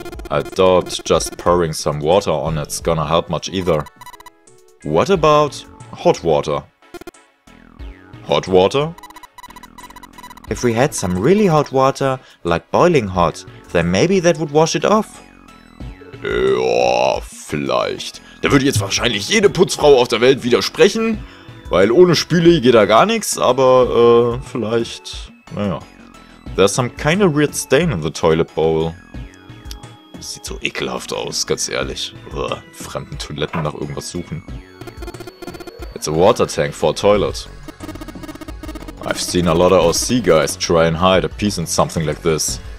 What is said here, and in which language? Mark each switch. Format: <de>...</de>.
<en>I doubt just pouring some water on it's gonna help much either. What about hot water? Hot water? If we had some really hot water, like boiling hot, then maybe that would wash it off.</en> <de>Ja, vielleicht. Da würde jetzt wahrscheinlich jede Putzfrau auf der Welt widersprechen, weil ohne Spüle geht da gar nichts, aber vielleicht, naja.</de> <en>There's some kind of weird stain in the toilet bowl.</en> <de>Sieht so ekelhaft aus, ganz ehrlich. Ugh, fremden Toiletten nach irgendwas suchen.</de> <en>It's a water tank for a toilet. I've seen a lot of OC guys try and hide a piece in something like this.</en>